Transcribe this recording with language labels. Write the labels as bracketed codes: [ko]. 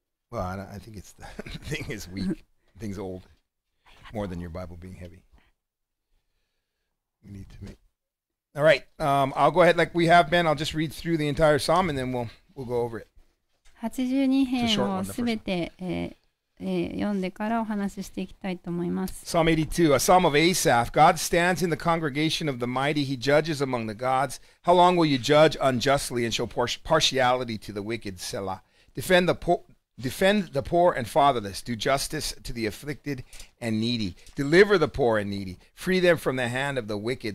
[en] Well, I think it's the thing is weak. The thing's old. More than your Bible being heavy. You need to make. All right. I'll go ahead like we have been. I'll just read through the entire psalm and then we'll go over it. [ja] 82編をすべて読んでからお話ししていきたいと思います。 [en] Psalm 82, a psalm of Asaph. God stands in the congregation of the mighty. He judges among the gods. How long will you judge unjustly and show partiality to the wicked? Selah. Defend the poor and fatherless. Do justice to the afflicted and needy. Deliver the poor and needy. Free them from the hand of the wicked.